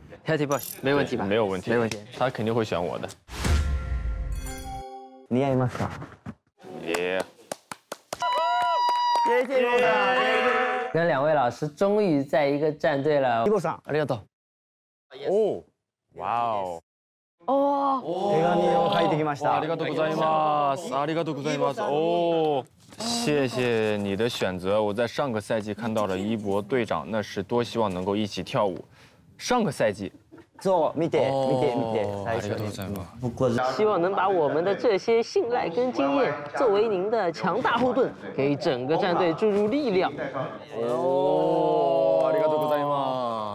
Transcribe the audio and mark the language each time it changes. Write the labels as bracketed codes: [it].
[en] Healthy Bush， [zh] 没问题吧？没有问题，没问题。他肯定会选我的。 [ja] 似合いますか？耶。 [zh] 谢谢跟两位老师终于在一个战队了。伊博桑， [ja] ありがとう。哦，哇哦，哦，手紙を書いてきました。ありがとうございます。ありがとうございます。 [zh] 哦，谢谢你的选择。我在上个赛季看到了伊博队长，那是多希望能够一起跳舞。上个赛季。 [ja] そう、見て、見て、見て。ありがとうございます。 [zh] 希望能把我们的这些信赖跟经验作为您的强大后盾，给整个战队注入力量。 [ja] 哦，ありがとうございます。